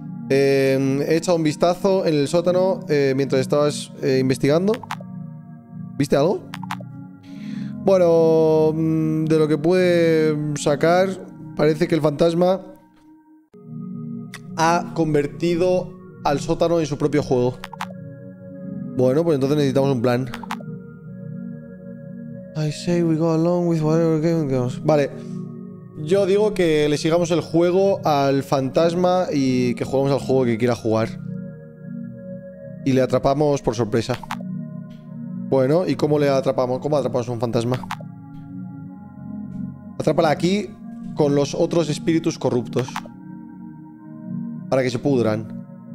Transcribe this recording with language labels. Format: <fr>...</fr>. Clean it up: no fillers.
<es>He echado un vistazo en el sótano mientras estabas investigando. ¿Viste algo? Bueno, de lo que pude sacar, parece que el fantasma ha convertido al sótano en su propio juego. Bueno, pues entonces necesitamos un plan.</es> <en>I say we go along with whatever game goes.</en> <es>Vale. Yo digo que le sigamos el juego al fantasma y que juguemos al juego que quiera jugar. Y le atrapamos por sorpresa. Bueno, ¿y cómo le atrapamos? ¿Cómo atrapamos a un fantasma? Atrápala aquí con los otros espíritus corruptos. Para que se pudran.</es>